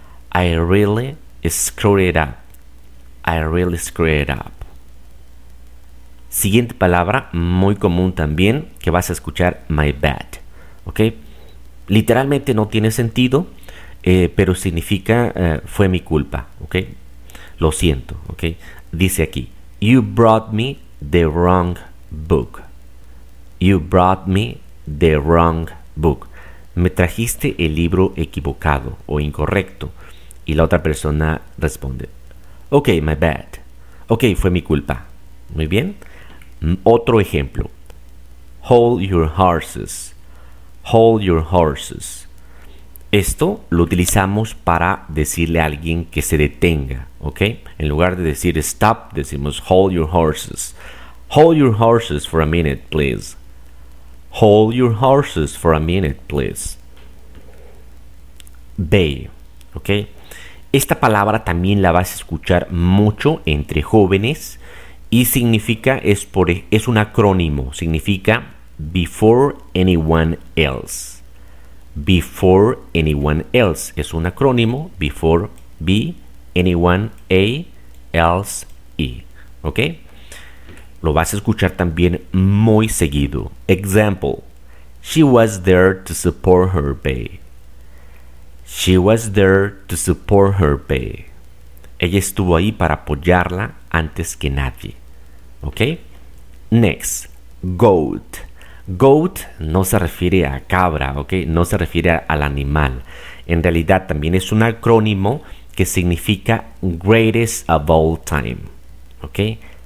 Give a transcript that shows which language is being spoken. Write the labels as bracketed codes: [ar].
[en] I really screwed up. I really screwed up. [es] Siguiente palabra, muy común también, que vas a escuchar, [en] my bad. [es] ¿Ok? Literalmente no tiene sentido, pero significa, fue mi culpa. ¿Ok? Lo siento. ¿Ok? Dice aquí, [en] you brought me the wrong book. You brought me the wrong book. [es] Me trajiste el libro equivocado o incorrecto. Y la otra persona responde, [en] ok, my bad. [es] Ok, fue mi culpa. Muy bien. Otro ejemplo. [en] Hold your horses. Hold your horses. [es] Esto lo utilizamos para decirle a alguien que se detenga. [en] Ok. [es] En lugar de decir stop, decimos [en] hold your horses. Hold your horses for a minute, please. Hold your horses for a minute, please. [es] Bay, ¿ok? Esta palabra también la vas a escuchar mucho entre jóvenes y significa, es un acrónimo, significa [en] before anyone else. Before anyone else [es] es un acrónimo, before B, anyone, A, else, E. ¿Ok? Lo vas a escuchar también muy seguido. [en] Example, she was there to support her bae. She was there to support her bae. [es] Ella estuvo ahí para apoyarla antes que nadie. ¿Ok? [en] Next, [es] goat. Goat no se refiere a cabra, ¿ok? No se refiere al animal. En realidad también es un acrónimo que significa [en] greatest of all time. [es] ¿Ok?